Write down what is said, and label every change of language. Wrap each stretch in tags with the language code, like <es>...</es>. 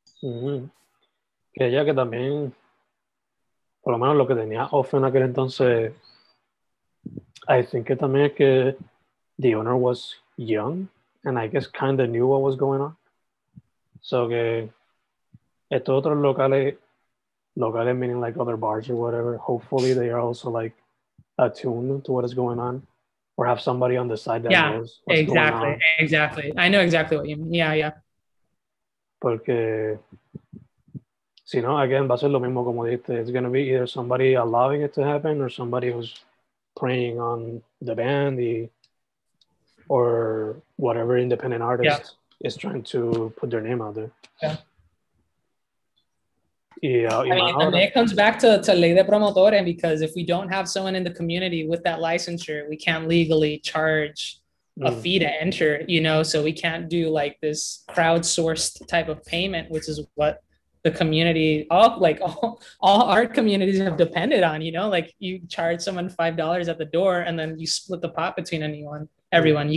<en>Mm-hmm. Yeah,</en> <es>que también, por lo menos lo que tenía Offen aquel entonces,</es> <en>I think it</en> <es>también que</es> <en>the owner was young and I guess kind of knew what was going on. So</en> <es>que estos otros locales,</es> <en>meaning like other bars or whatever, hopefully they are also like attuned to what is going on or have somebody on the side that knows what's exactly, going on. Exactly. I know exactly what you mean. Yeah, yeah.</en> <es>Porque si no, again, va a ser lo mismo como dijiste.</es> <en>It's going to be either somebody allowing it to happen or somebody who's preying on the band or whatever independent artist is trying to put their name out there. Yeah. It comes back to ley de promotores, because if we don't have someone in the community with that licensure, we can't legally charge a fee to enter, you know, so we can't do like this crowdsourced type of payment, which is what the community, all art communities have depended on, you know, like you charge someone $5 at the door and then you split the pot between everyone.</en>